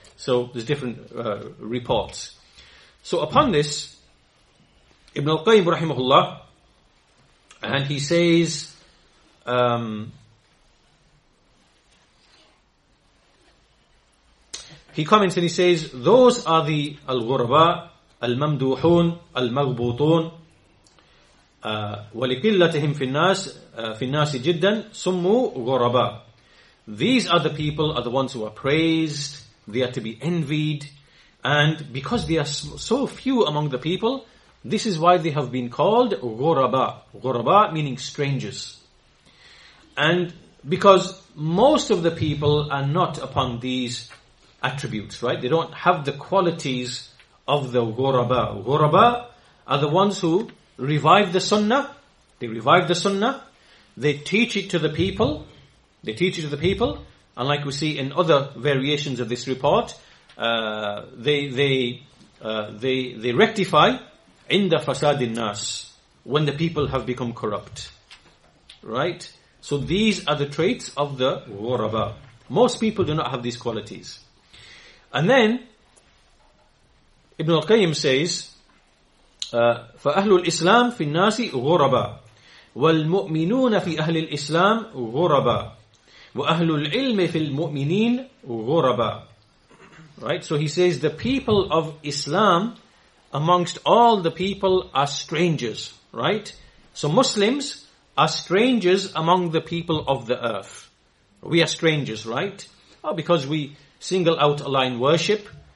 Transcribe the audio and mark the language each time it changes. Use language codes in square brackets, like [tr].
[en] So there's different reports. So upon this, Ibn al-Qayyim rahimahullah, and he says, he comments and he says, those are the [ar] al-ghuraba, al-mamduhun, al-maghbutun, ولقلتهم في الناس في الناس جدا سموا غرباء. [en] These are the people, are the ones who are praised, they are to be envied, and because they are so few among the people, this is why they have been called غرباء. غرباء meaning strangers. And because most of the people are not upon these attributes, right? They don't have the qualities of the غرباء. غرباء are the ones who revive the sunnah. They revive the sunnah. They teach it to the people. They teach it to the people. And like we see in other variations of this report, they rectify [ar] عند فساد الناس, [en] when the people have become corrupt. Right? So these are the traits of the غرباء. Most people do not have these qualities. And then Ibn al-Qayyim says, [ar] فأهل الإسلام في الناس غرباء والمؤمنون في أهل الإسلام غرباء وأهل العلم في المؤمنين غرباء. [en] Right? So he says the people of Islam amongst all the people are strangers. Right? So Muslims are strangers among the people of the earth. We are strangers, right? Oh, because we single out Allah in worship.